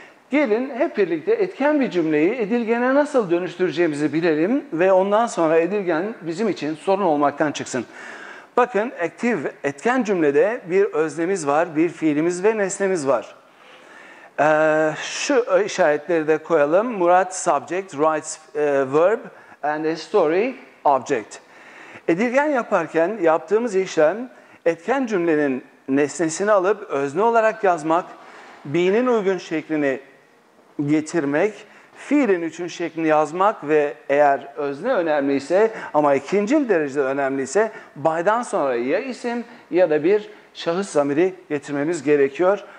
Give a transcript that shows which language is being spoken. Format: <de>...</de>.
<tr>Gelin hep birlikte etken bir cümleyi edilgene nasıl dönüştüreceğimizi bilelim ve ondan sonra edilgen bizim için sorun olmaktan çıksın. Bakın, active etken cümlede bir öznemiz var, bir fiilimiz ve nesnemiz var. Şu işaretleri de koyalım.</tr> <en>Murat subject, writes verb and a story object.</en> <tr>Edilgen yaparken yaptığımız işlem etken cümlenin nesnesini alıp özne olarak yazmak, be'nin uygun şeklini getirmek, fiilin üçün şeklini yazmak ve eğer özne önemliyse ama ikinci derecede önemliyse by'dan sonra ya isim ya da bir şahıs zamiri getirmemiz gerekiyor.</tr>